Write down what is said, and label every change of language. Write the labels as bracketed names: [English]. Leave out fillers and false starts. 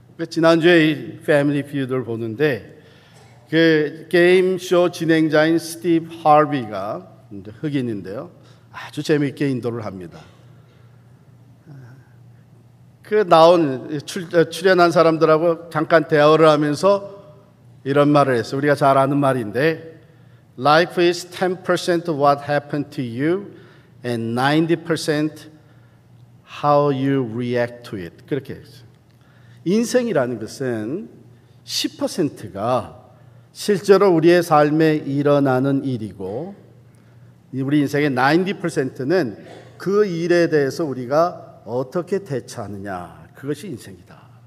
[Korean] 지난주에 이 패밀리 피드를 보는데 그 게임쇼 진행자인 스티브 하비가 흑인인데요. 아주 재미있게 인도를 합니다. 그 나온 출연한 사람들하고 잠깐 대화를 하면서 이런 말을 했어요. 우리가 잘 아는 말인데 [English] Life is 10% what happened to you and 90% how you react to it. [Korean] 그렇게 했어요. 인생이라는 것은 10%가 실제로 우리의 삶에 일어나는 일이고 우리 인생의 90%는 그 일에 대해서 우리가 어떻게 대처하느냐 그것이 인생이다.